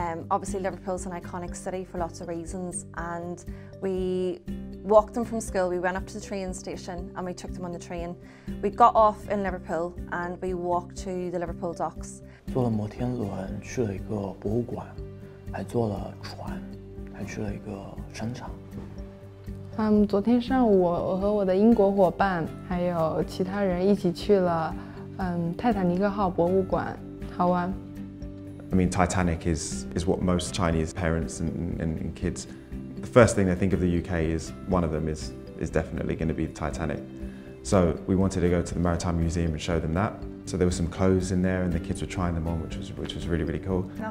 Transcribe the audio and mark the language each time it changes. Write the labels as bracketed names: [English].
[English] Obviously, Liverpool's an iconic city for lots of reasons, and we walked them from school, we went up to the train station, and we took them on the train. We got off in Liverpool, and we walked to the Liverpool docks. [Chinese] 坐了摩天轮，去了一个博物馆，还坐了船，还去了一个商场。昨天上午我和我的英国伙伴还有其他人一起去了泰坦尼克号博物馆好玩。 [English] I mean, Titanic is what most Chinese parents and kids, the first thing they think of the UK is one of them is definitely going to be the Titanic. So we wanted to go to the Maritime Museum and show them that. So there were some clothes in there and the kids were trying them on, which was really, really cool.